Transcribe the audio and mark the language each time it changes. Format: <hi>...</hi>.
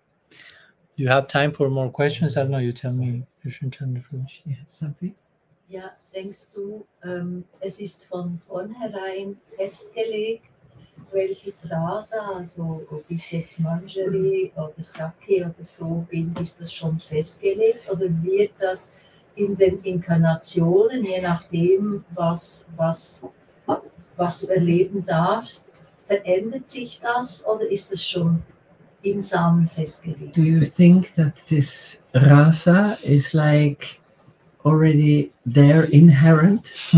<en>Do you have time for more questions? I don't know, you tell me. You shouldn't turn the finish. Yes, happy. Yeah, thanks to,</en> <de>es ist von vornherein festgelegt, welches Rasa, also ob ich jetzt Manjari oder Sakhi oder so bin, ist das schon festgelegt oder wird das in den Inkarnationen, je nachdem, was du erleben darfst, verändert sich das oder ist das schon im Samen festgelegt?</de> <en>Do you think that this Rasa is like already there inherent?</en>